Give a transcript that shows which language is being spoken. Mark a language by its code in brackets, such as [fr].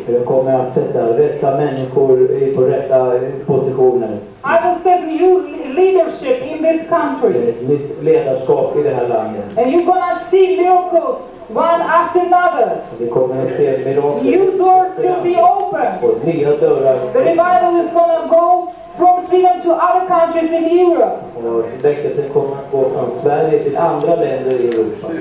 [sv] Jag kommer att sätta rätta människor på rätta positioner. [en] I will set new leadership in this country. [sv] Nytt ledarskap i det här landet. [en] And you're gonna see miracles one after another. [sv] Vi kommer att se mirakel. [en] New doors will be open. [sv] Och nya dörrar. [en] The revival is gonna go from Sweden to other countries in Europe. [sv] Väckelsen kommer att gå från Sverige till andra länder i Europa.